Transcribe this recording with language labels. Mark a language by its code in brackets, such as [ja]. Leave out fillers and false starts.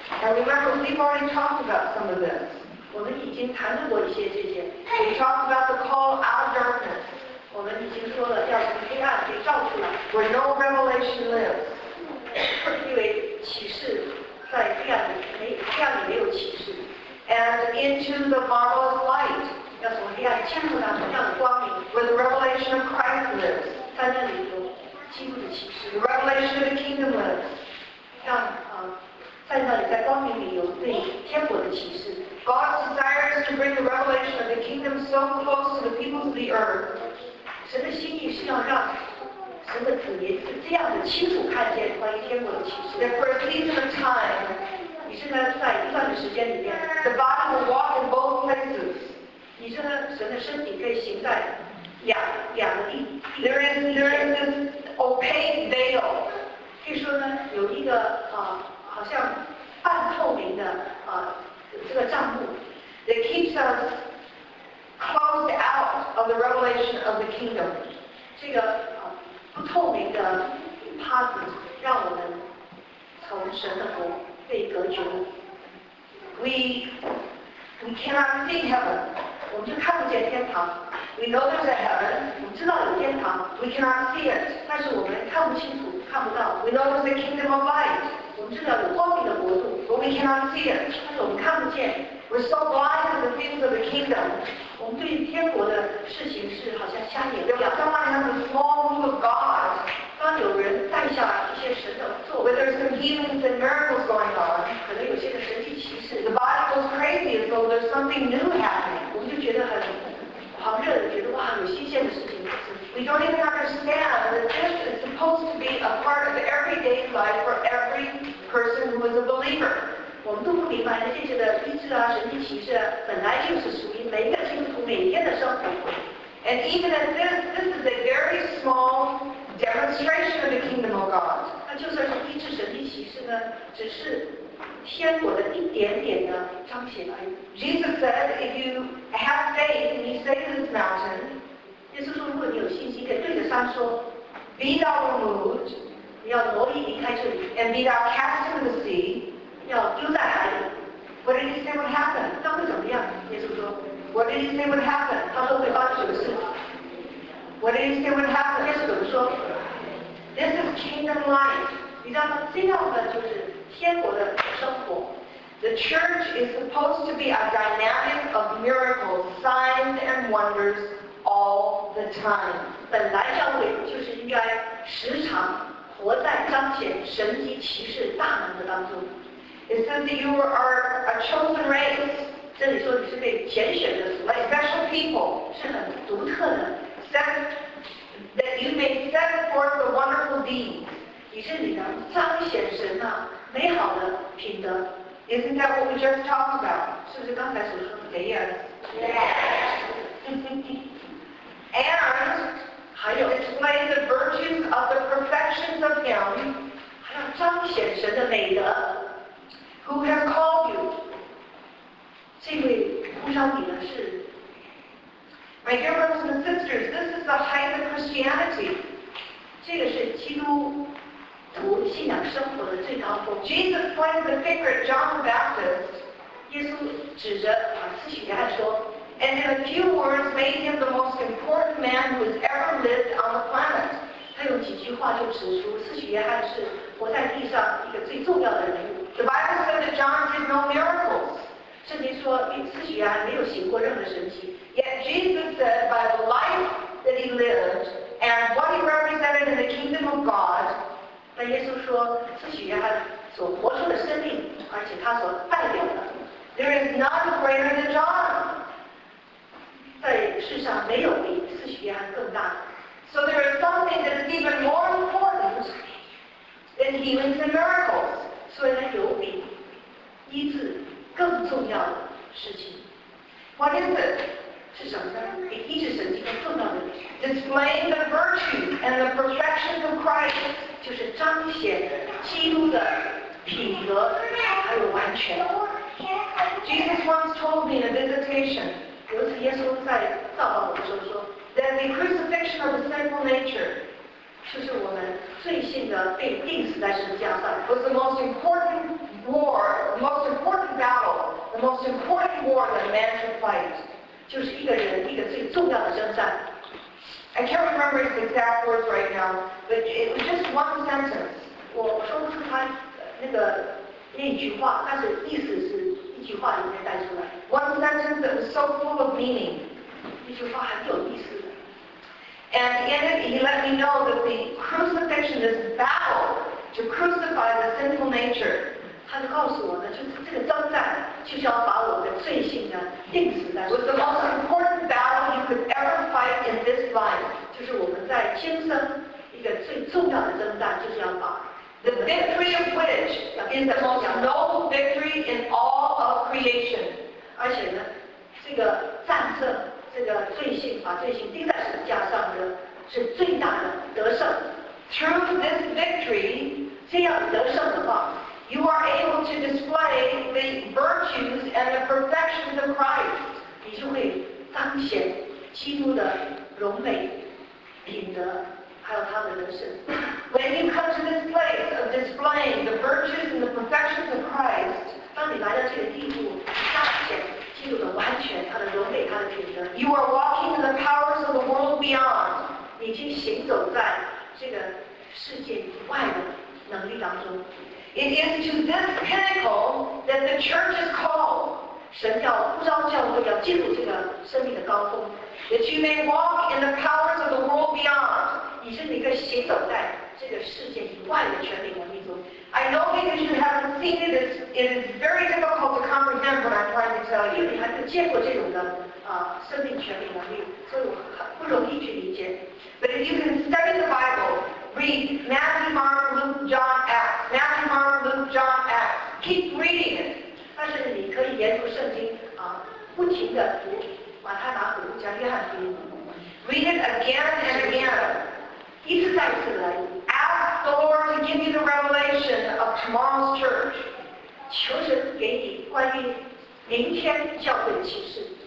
[en] And remember, we've already talked about some of this. [zh] 我们已经谈论过一些这些。 [en] We talked about the call out of darkness. [zh] 我们已经说了要从黑暗给照出来。 [en] Where no revelation lives. [zh] 因为启示在黑暗里，黑暗里没有启示。 [en] And into the marvelous light. [zh] 要从黑暗进入那荣耀的光明 [en] ，where the revelation of Christ lives， [zh] 在那里有基督的启示 [en] ，the revelation of the kingdom lives， [zh] 让在那里在光明里有对天国的启示。 [en] God desires to bring the revelation of the kingdom so close to the peoples of the earth。 [zh] 神的心意是要让神的子民是这样的清楚看见关于天国的启示。 [en] That for a season of time， [zh] 你是呢在一段的时间里面 [en] ，the body will walk in both places。 [zh] 你说呢？神的身体可以行在两个地。 [en] There is this opaque veil. [zh] 据说呢，有一个好像半透明的这个帐幕 [en] that keeps us closed out of the revelation of the kingdom. [zh] 这个不透明的帕子让我们从神的国被隔绝。 [en] We cannot see heaven. [zh] 我们就看不见天堂。 [en] We know there's a heaven. [zh] 我们知道有天堂。 [en] We cannot see it. [zh] 但是我们看不清楚，看不到。 [en] We know there's a kingdom of light. [zh] 我们知道有光明的国度。 [en] But we cannot see it. [zh] 但是我们看不见。 [en] We're so blind to the things of the kingdom. [zh] 我们对天国的事情是好像瞎眼一样。 [en] Someone has a small group of God. [zh] 当有人带下来一些神的作 [en] 为。Whether some healings and miracles going on. [zh] 可能有些的神迹奇事。 [en] The Bible goes crazy as though there's something new happening. [zh] 我们就觉得很狂热的，觉得哇，有新鲜的事情。 [en] We don't even understand that this is supposed to be a part of the everyday life for every person who is a believer. [zh] 我们都不明白这些的医治啊，神迹奇事本来就是属于每个基督徒每天的生活。 [en] And even if this is a very small demonstration of the kingdom of God, [zh] 那就算是医治神迹奇事呢，只是天国的一点点的彰显而已。 [en] Jesus said, if you have faith and you say to this mountain, [zh] 耶稣说，如果你有信心，可以对着山说 [en] ，Be thou removed, [zh] 你要挪移离开这里 [en] ，and be thou cast into the sea. [zh] 要丢在哪里 [en] ？What did he say would happen？ [zh] 那会怎么样？耶稣说 [en] ，What did he say would happen？ [zh] 他说会发生什么事 [en] ？What did he say would happen？ [zh] 耶稣怎么说 [en] ？This is kingdom life。 [zh] 你知道这样的就是天国的生活。 [en] The church is supposed to be a dynamic of miracles, signs, and wonders all the time。 [zh] 本来教会就是应该时常活在彰显神迹奇事大能的当中。 [en] It says that you are a chosen race. [zh] 这里说你是被拣选的族类 [en] ，special people [zh] 是很独特的。 [en] Set that you may set forth the wonderful deeds. [zh] 以致你能彰显神呐美好的品德。 [en] Isn't that what we just talked about? [zh] 是不是刚才所说的 [en] ？Yes. Yes. And [zh] 还有 [en] display the virtues of the perfections of Him. [zh] 还要彰显神的美德。 [en] Who has called you? [zh] 这位呼召你的是 [en] My dear brothers and sisters, this is the height of Christianity. [zh] 这个是基督徒信仰生活的最高峰 [en] Jesus pointed the finger at John the Baptist. [zh] 耶稣指着司洗约翰说 [en] And in a few words made him the most important man who has ever lived on the planet. [zh] 他用几句话就指出司洗约翰是活在地上一个最重要的人物 [en] The Bible said that John did no miracles. [zh] 圣经说，司洗约翰没有行过任何神迹。 [en] Yet Jesus said, by the life that he lived and what he represented in the kingdom of God. [zh] 但耶稣说，司洗约翰所活出的生命，而且他所代表的 [en] ，There is none greater than John. [zh] 在世上没有比司洗约翰更大。 [en] So there is something that is even more important than healings and miracles. [zh] 所以呢，有比医治更重要的事情。 [en] What is it? [zh] 是什么呢？比医治神迹更重要的。 [en] Displaying the virtue and the perfection of Christ. [zh] 就是彰显基督的品格还有完全。 [en] Jesus once told me in a visitation. [zh] 有一次耶稣在造访我的时候说 [en] ，That the crucifixion of the sinful nature. [zh] 就是我们最信的被钉死在十字架上。 [en] Was the most important war, the most important battle, the most important war that a man should fight. [zh] 就是一个人一个最重要的征战。 [en] I can't remember his exact words right now, but it was just one sentence. [zh] 我说不出他那句话，但是意思是一句话里面带出来。 [en] One sentence that was so full of meaning. [zh] 一句话很有意思。 [en] And in it, he let me know that the crucifixion is a battle to crucify the sinful nature. [zh] 他就告诉我呢，就是这个征战，就是要把我的罪性呢钉死在。 [en] Was the most important battle you could ever fight in this life. [zh] 就是我们在今生一个最重要的征战，就是要把。 [en] The victory of which is the most noble victory in all of creation. [zh] 而且呢，这个战胜。这个罪性把罪性钉在十字架上的是最大的得胜。 [en] Through this victory, [zh] 这样得胜的话， [en] you are able to display the virtues and the perfections of Christ. [zh] 你就会彰显基督的荣美、品德，还有他的得胜。 [en] When you come to this place of displaying the virtues and the perfections of Christ, [zh] 当你来到这个地步，彰显基督的完全、他的荣美、他的品德。 [en] You are walking in the powers of the world beyond. [zh] 你已经行走在这个世界以外的能力当中。 [en] It is to this pinnacle that the church is called. [zh] 神要呼召教会要进入这个生命的高峰。 [en] That you may walk in the powers of the world beyond. [zh] 你是一个行走在这个世界以外的权柄能力中。 [en] I know because you haven't seen it, it is very difficult to comprehend what I'm trying to tell you. [zh] 因为你还没见过这种的生命权柄能力，所以我很不容易去理解。 [en] But if you can study the Bible, read Matthew, Mark, Luke, John, Acts. Matthew, Mark, Luke, John, Acts. Keep reading it. [zh] 但是你可以研读圣经啊，不停的读马太、马可、路加、约翰福音。 [en] Read it again and again. [zh] 一次再一次的。 [en] Ask the Lord to give you the revelation of tomorrow's church. [zh] 求神给你关于明天教会的启示。